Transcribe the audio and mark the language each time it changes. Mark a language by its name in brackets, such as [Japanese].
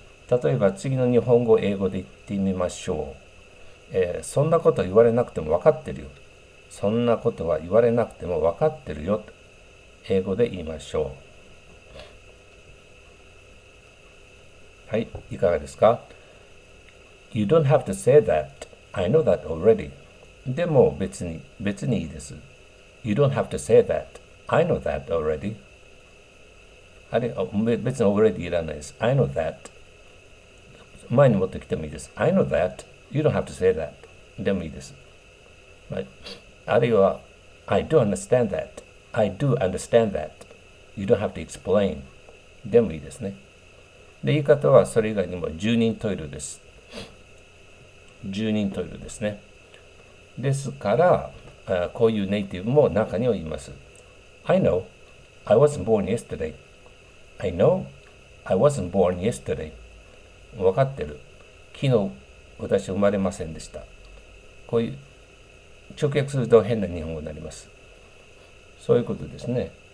[Japanese] 例えば次の日本語を英語で言ってみましょう。そんなこと言われなくても分かってるよ。そんなことは言われなくても分かってるよと英語で言いましょう。はい、いかがですか？ [English] You don't have to say that. I know that already. [Japanese] でも別にいいです。 [English] You don't have to say that. I know that already. [Japanese] あれ、別に already いらないです。 [English] I know that. [Japanese] 前に持ってきてもいいです。 [English] I know that. You don't have to say that. [Japanese] でもいいです。はい、あるいは、 [English] I do understand that. I do understand that. You don't have to explain. [Japanese] でもいいですね。で、言い方はそれ以外にも十人十色です。十人十色ですね。ですから、こういうネイティブも中にはいます。 I know I wasn't born yesterday. I know I wasn't born yesterday. わかってる。昨日私生まれませんでした。こういう直訳すると変な日本語になります。そういうことですね。